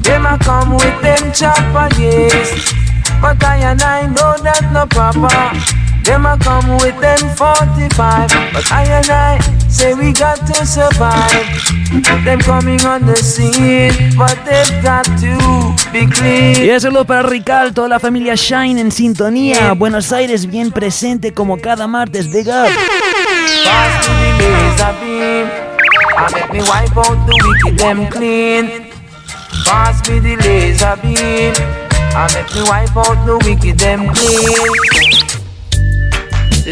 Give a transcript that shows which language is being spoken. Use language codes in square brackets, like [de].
[en] Them a come with them chopper, yes. But I and I know that no proper. Them a come with them 45. But I and I say we got to survive. Them coming on the scene, but they've got to be clean. [es] Y eso es lo para Rical, toda la familia Shine en sintonía. Buenos Aires bien presente como cada martes de Gap. [en] Pass me the laser beam. I make me wipe out the wicked them clean. Pass me the laser beam. I make me wipe out the wicked them clean.